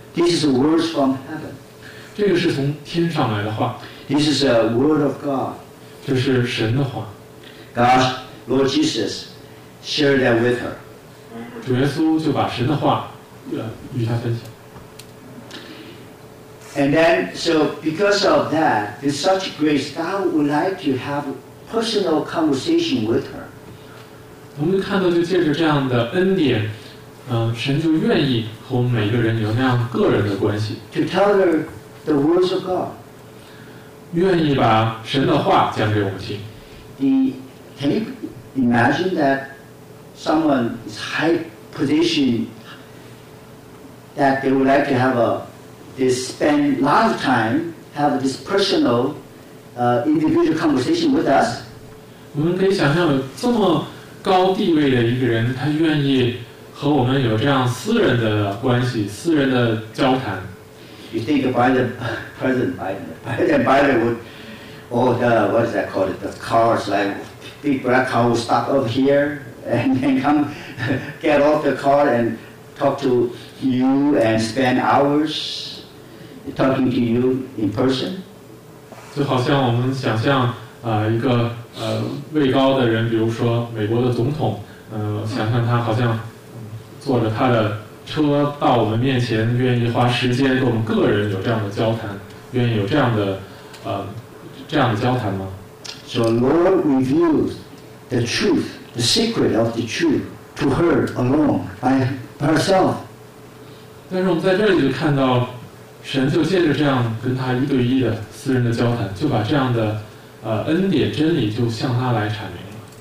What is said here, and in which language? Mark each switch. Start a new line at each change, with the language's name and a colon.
English: These are words from heaven.
Chinese: 这个是从天上来的话。
English: This is a word of God.
Chinese: 这是神的话。
English: God, Lord Jesus, shared that with her.
Chinese: 主耶稣就把神的话与他分享。
English: And then, so because of that, with such grace, God would like to have personal conversation with her.
Chinese: 我们看到就借着这样的恩典，神就愿意和我们每个人有那样个人的关系。
English: To tell her. The words of God.
Chinese: 愿意把神的话讲给我们听。
English: Can you imagine that someone is high position that they would like to have spend a lot of time have this personal, individual conversation with us?
Chinese: 我们可以想象有这么高地位的一个人，他愿意和我们有这样私人的关系、私人的交谈。
English: You think President Biden would, or the, what is that called, the cars, like, big black car would stop over here, and then come, get off the car and talk to you and spend hours talking to you in person?
Chinese: 就好像我们想象一个位高的人，比如说美国的总统，想象他好像坐着他的车到我们面前，愿意花时间跟我们个人有这样的交谈，愿意有这样的这样的交谈吗？
English: So Lord reveals the truth, the secret of the truth to her alone, by herself.
Chinese: 但是我们在这里就看到神就借着这样跟他一对一的私人的交谈，就把这样的恩典真理就向他来阐明了。